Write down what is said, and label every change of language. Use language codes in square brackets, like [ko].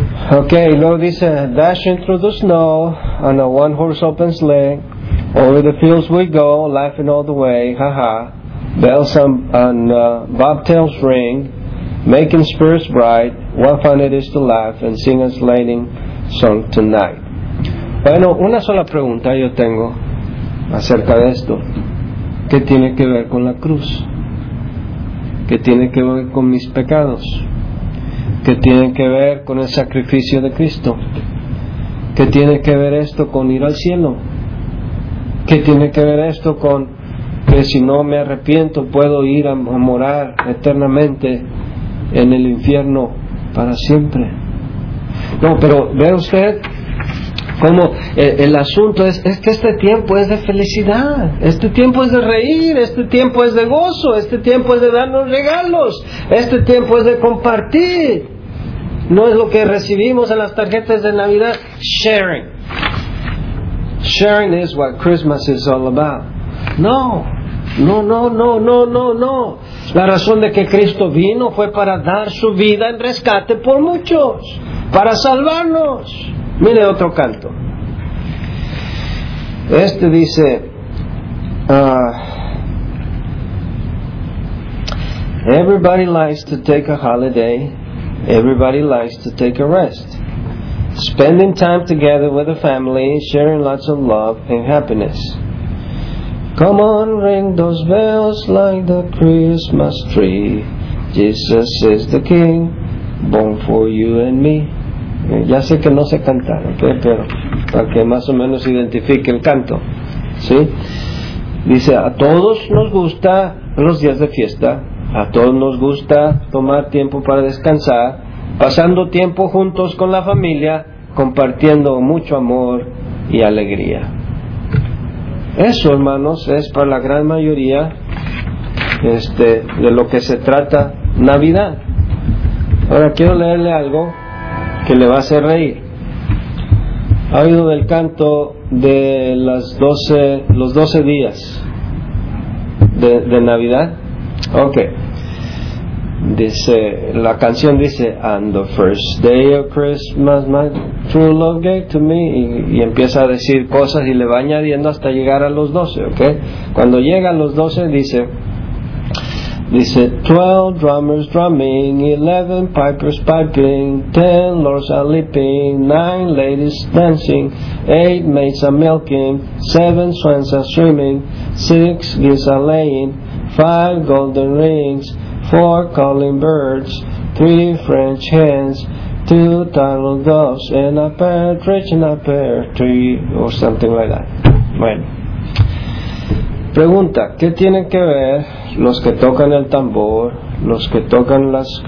[en] Okay, [es] luego dice, [en] dashing through the snow on a one horse open sleigh, over the fields we go, laughing all the way, haha. Bells bobtails ring, making spirits bright. What fun it is to laugh and sing a sleighing song tonight. [es] Bueno, una sola pregunta yo tengo acerca de esto. ¿Qué tiene que ver con la cruz? ¿Qué tiene que ver con mis pecados? ¿Qué tiene que ver con el sacrificio de Cristo? ¿Qué tiene que ver esto con ir al cielo? ¿Qué tiene que ver esto con que si no me arrepiento puedo ir a morar eternamente en el infierno para siempre? No, pero ve usted cómo el asunto es que este tiempo es de felicidad, este tiempo es de reír, este tiempo es de gozo, este tiempo es de darnos regalos, este tiempo es de compartir. No es lo que recibimos en las tarjetas de Navidad. [en] Sharing. Sharing is what Christmas is all about. [es] No. No, no, no, no, no, no. La razón de que Cristo vino fue para dar su vida en rescate por muchos, para salvarnos. Mire otro canto. Este dice, [en] everybody likes to take a holiday, everybody likes to take a rest. Spending time together with the family, sharing lots of love and happiness. Come on, ring those bells like the Christmas tree. Jesus is the King, born for you and me. [es] Ya sé que no sé cantar, okay, pero para que más o menos identifique el canto, ¿sí? Dice, a todos nos gusta los días de fiesta, a todos nos gusta tomar tiempo para descansar, pasando tiempo juntos con la familia, compartiendo mucho amor y alegría. Eso, hermanos, es para la gran mayoría de lo que se trata Navidad. Ahora quiero leerle algo que le va a hacer reír. ¿Ha oído del canto de los 12 días de Navidad? Ok. Dice, la canción dice, [en] and the first day of Christmas my true love gave to me, [es] y empieza a decir cosas y le va añadiendo hasta llegar a los 12, ok. Cuando llega a los 12 dice [en] 12 drummers drumming, 11 pipers piping, 10 lords are leaping, 9 ladies dancing, 8 maids are milking, 7 swans are swimming, 6 geese are laying, 5 golden rings, 4 calling birds, 3 French hens, 2 turtle doves, and a partridge in a pear tree, or something like that. [es] Bueno, pregunta, ¿qué tienen que ver los que tocan el tambor, los que tocan las